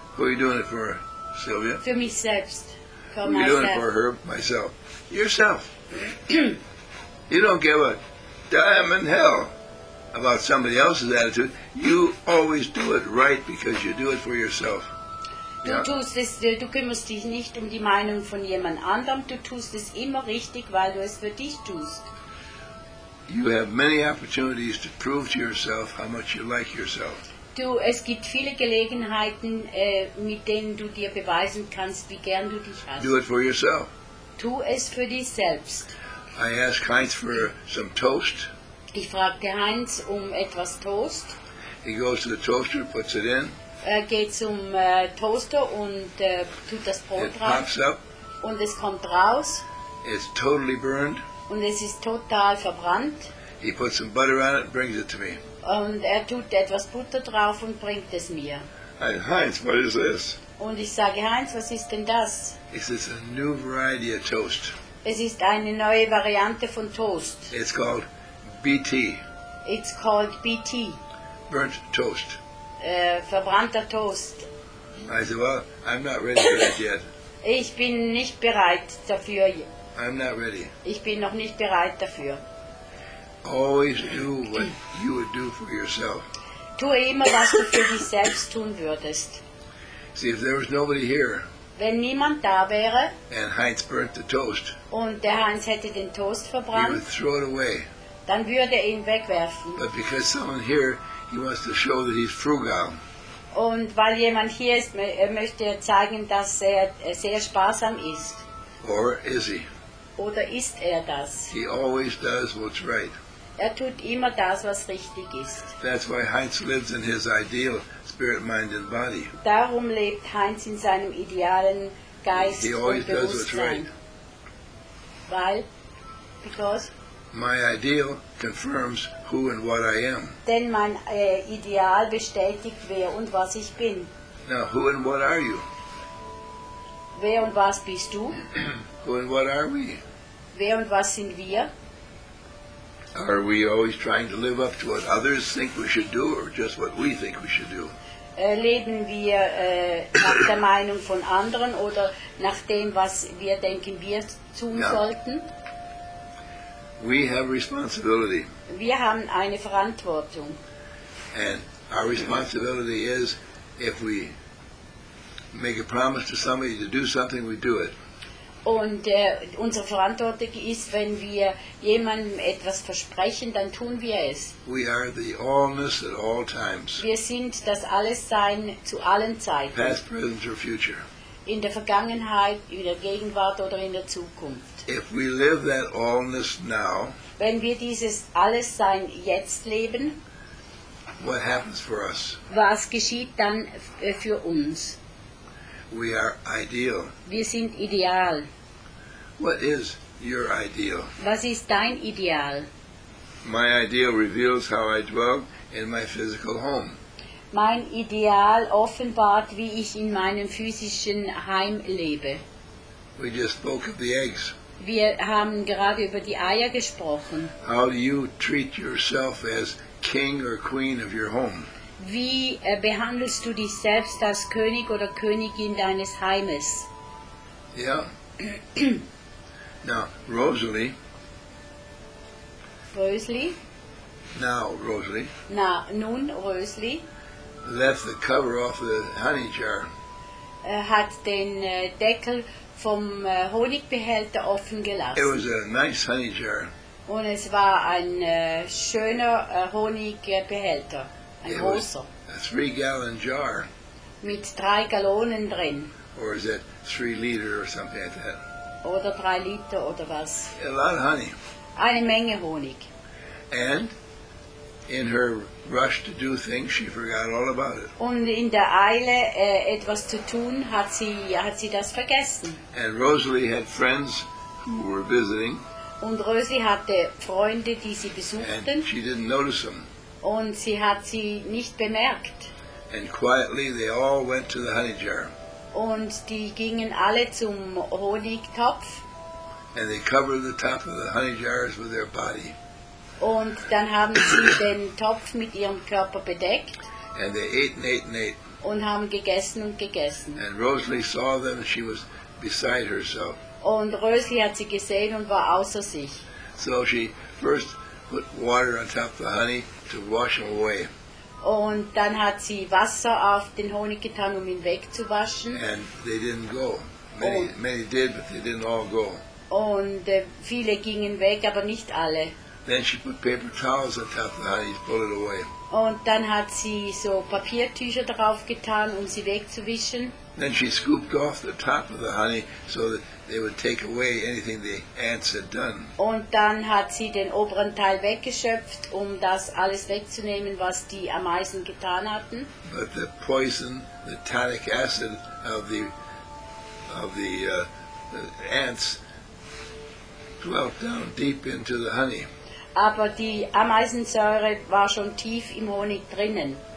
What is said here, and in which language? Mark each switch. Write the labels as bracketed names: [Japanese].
[English] Who are you doing it for, Sylvia? [German] Für mich selbst. [English] Who are you doing it for, her? Myself. Yourself. You don't give a damn in hell about somebody else's attitude. You always do it right because you do it for yourself. [German] Du tust es, du kümmerst dich nicht um die Meinung von jemand anderem. Du tust es immer richtig, weil du es für dich tust. [English] You have many opportunities to prove to yourself how much you like yourself. [German] du, es gibt viele Gelegenheiten, mit denen du dir beweisen kannst, wie gern du dich hast. [English] Do it for yourself. [German] Tu es für dich selbst. [English] I asked Heinz for some toast. [German] Ich fragte Heinz um etwas Toast. [English] He goes to the toaster, puts it in. [German] Er geht zum Toaster und tut das Brot [English] it [German] rein. [English] Pops up. [German] Und es kommt raus. [English] It's totally burned. [German] Und es ist total verbrannt. [English] He puts some butter on it and brings it to me. [German] Und er tut etwas Butter drauf und bringt es mir. [English] Hey, Heinz, what is this? [German] Und ich sage, Heinz, was ist denn das? [English] It's just a new variety of toast. [German] Es ist eine neue Variante von Toast. [English] It's called BT. It's called BT. Burnt toast. [German] Verbrannter Toast. [English] I said, well, I'm not ready for that yet. [German] Ich bin nicht bereit dafür. [English] I'm not ready. [German] Ich bin noch nicht bereit dafür. [English] Always do what you would do for yourself. [German] Tue immer, was du für dich selbst tun würdest. [English] See, if there was nobody here, [German] wenn niemand da wäre, [English] and Heinz burnt the toast, [German] und der Heinz hätte den Toast verbrannt, [English] he would throw it away. [German] Dann würde er ihn wegwerfen. [English] But because someone here, he wants to show that he's frugal. [German] Und weil jemand hier ist, möchte er zeigen, dass er sehr sparsam ist. [English] Or is he? [German] Oder ist er das? [English] He always does what's right. [German] Er tut immer das, was richtig ist. [English] That's why Heinz lives in his ideal spirit, mind and body. [German] Darum lebt Heinz in seinem idealen Geist und Bewusstsein. [English] He always does what's right. [German] Weil? [English] Because? My ideal confirms who and what I am. [German] Denn mein Ideal bestätigt, wer und was ich bin. [English] Now, who and what are you? [German] Wer und was bist du? [English] Who and what are we? [German] Wer und was sind wir? [English] Are we always trying to live up to what others think we should do, or just what we think we should do? [German] Leben wir nach der Meinung von anderen oder nach dem, was wir denken, wir tun no. sollten? [English] We have responsibility. [German] Wir haben eine Verantwortung. [English] And our responsibility is, if we make a promise to somebody to do something, we do it. [German] Und unsere Verantwortung ist, wenn wir jemandem etwas versprechen, dann tun wir es. [English] We are the allness at all times. [German] Wir sind das Allessein zu allen Zeiten. [English] Past, present or future. [German] In der Vergangenheit, in der Gegenwart oder in der Zukunft. [English] If we live that allness now, [German] wenn wir dieses Allessein jetzt leben, [English] what happens for us? [German] Was geschieht dann für uns? [English] We are ideal. [German] Wir sind ideal. [English] What is your ideal? [German] Was ist dein Ideal? [English] My ideal reveals how I dwell in my physical home. [German] Mein Ideal offenbart, wie ich in meinem physischen Heim lebe. [English] We just spoke of the eggs. [German] Wir haben gerade über die Eier gesprochen. [English] How do you treat yourself as king or queen of your home? [German] Wie behandelst du dich selbst als König oder Königin deines Heimes? [English] Ja. Now, Rosalie. Rosalie. Now, Rosalie. [German] Na, nun, Rosalie. [English] Left the cover off the honey jar. [German] Hat den Deckel vom Honigbehälter offen gelassen. [English] It was a nice honey jar. [German] Und es war ein schöner Honigbehälter. [English] It was a 3-gallon jar. [German] Mit 3 Gallonen drin. [English] Or is that 3 liter or something like that? [German] Oder 3 Liter oder was? [English] A lot of honey. [German] Eine Menge Honig. [English] And in her rush to do things, she forgot all about it. [German] Und in der Eile etwas zu tun, hat sie das vergessen. [English] And Rosalie had friends who were visiting. [German] Und Rosalie hatte Freunde, die sie besuchten. [English] And she didn't notice them. [German] Und sie hat sie nicht bemerkt. [English] And quietly they all went to the honey jar. [German] Und die gingen alle zum Honigtopf. [English] And they covered the top of the honey jars with their body. [German] Und dann haben sie den Topf mit ihrem Körper bedeckt. [English] And they ate and ate and ate. [German] Und haben gegessen und gegessen. [English] And Rosalie saw them and she was beside herself. [German] Und Rosalie hat sie gesehen und war außer sich. [English] So she first put water on top of the honey to wash them away. [German] Und dann hat sie Wasser auf den Honig getan, um ihn wegzuwaschen. [English] And they didn't go. Many did, but they didn't all go. [German] Und viele gingen weg, aber nicht alle. [English] Then she put paper towels on top of the honey to pull it away. [German] Und dann hat sie so Papiertücher drauf getan, um sie wegzuwischen. [English] Then she scooped off the top of the honey so that they would take away anything the ants had done. [German] Und dann hat sie den oberen Teil weggeschöpft, um das alles wegzunehmen, was die Ameisen getan hatten. [English] But the poison, the tannic acid of the ants dwelt down deep into the honey. [German] Aber die Ameisensäure war schon tief im Honig drinnen.